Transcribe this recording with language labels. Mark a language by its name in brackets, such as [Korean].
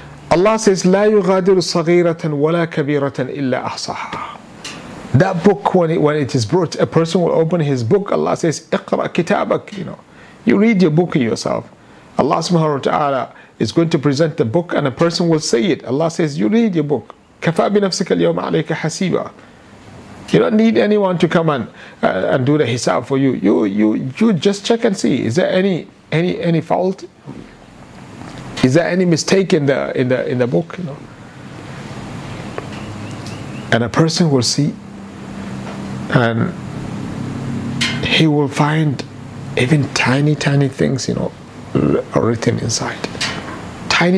[English] Allah says, [Arabic] لا يغادر صغيرة ولا كبيرة إلا أحصاها. [English] That book, when it is brought, a person will open his book. Allah says, [Arabic] اقرأ كتابك. [English] You know, you read your book yourself. Allah subhanahu wa ta'ala is going to present the book and a person will say it. Allah says, you read your book. [Arabic] كفى بنفسك اليوم عليك حسيبا. [English] You don't need anyone to come and do the hisab for you. You just check and see. Is there any fault? Is there any mistake in the book? You know? And a person will see, and he will find even tiny things, you know, written inside. Tiny.